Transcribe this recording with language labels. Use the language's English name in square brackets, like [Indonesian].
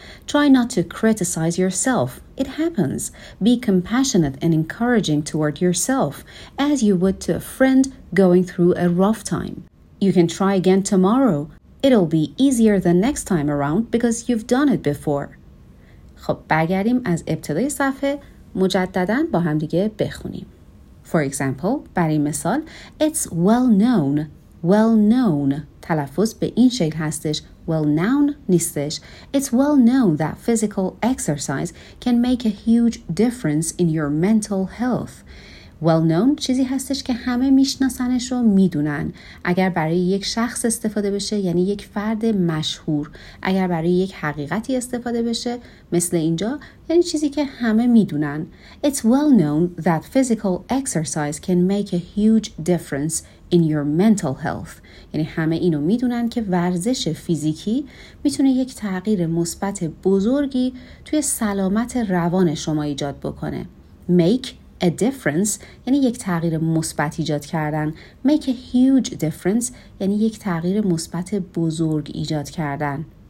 [English] Try not to criticize yourself. It happens. Be compassionate and encouraging toward yourself, as you would to a friend going through a rough time. You can try again tomorrow. It'll be easier the next time around because you've done it before. [Persian] خب بگردیم از ابتدای صفحه مجدداً با هم دیگه بخونیم. [English] For example, [Persian] برای مثال, [English] it's well known. [Persian] تلفظ به این شکل هستش. Well known نیستش. [English] It's well known that physical exercise can make a huge difference in your mental health. [Persian] Well known چیزی هستش که همه میشناسنش و میدونن. اگر برای یک شخص استفاده بشه یعنی یک فرد مشهور. اگر برای یک حقیقتی استفاده بشه مثل اینجا یعنی چیزی که همه میدونن. [English] It's well known that physical exercise can make a huge difference in your mental health. [Persian] یعنی همه اینو میدونن که ورزش فیزیکی میتونه یک تغییر مثبت بزرگی توی سلامت روان شما ایجاد بکنه. A difference یعنی یک تغییر مثبت ایجاد کردن. Make a huge difference یعنی یک تغییر مثبت بزرگ ایجاد کردن.